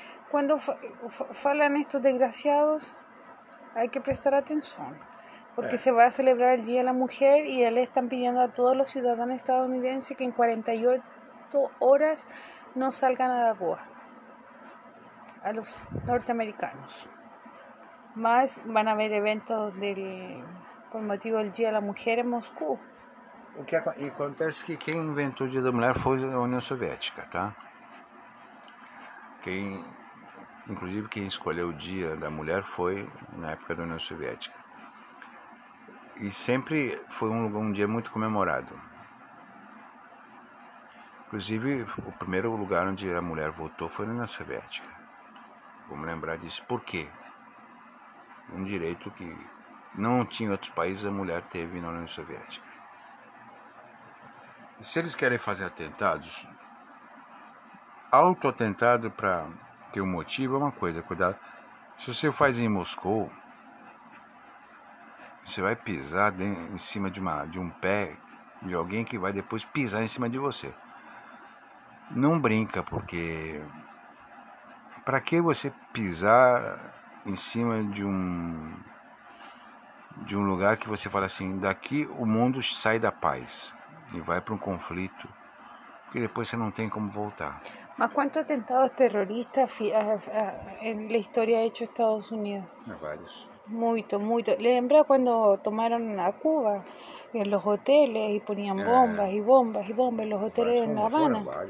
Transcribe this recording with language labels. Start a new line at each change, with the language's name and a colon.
Portuguese: Quando falam estes
Spanish: desgraciados, hay que prestar atención, porque se va a celebrar el Día de la Mujer y ya le están pidiendo a todos los ciudadanos estadounidenses que en 48 horas no salgan a la rua, a los norteamericanos. Más van a haber eventos por motivo del Día de la Mujer en Moscú. Y acontece que quien inventó el Día de la Mujer fue la Unión Soviética, ¿tá?
Portuguese: Inclusive, quem escolheu o Dia da Mulher foi na época da União Soviética. E sempre foi um dia muito comemorado. Inclusive, o primeiro lugar onde a mulher votou foi na União Soviética. Vamos lembrar disso. Por quê? Um direito que não tinha em outros países, a mulher teve na União Soviética. Se eles querem fazer atentados, auto-atentado para... ter um motivo é uma coisa, cuidado. Se você faz em Moscou, você vai pisar em cima de um pé de alguém que vai depois pisar em cima de você. Não brinca, porque para que você pisar em cima de um lugar que você fala assim, daqui o mundo sai da paz e vai para um conflito, porque depois você não tem como voltar.
Spanish: ¿Más cuántos atentados terroristas en la historia ha hecho Estados Unidos? Varios. Mucho, mucho. ¿Lembra cuando tomaron a Cuba en los hoteles y ponían bombas y bombas y bombas en los hoteles en La Habana?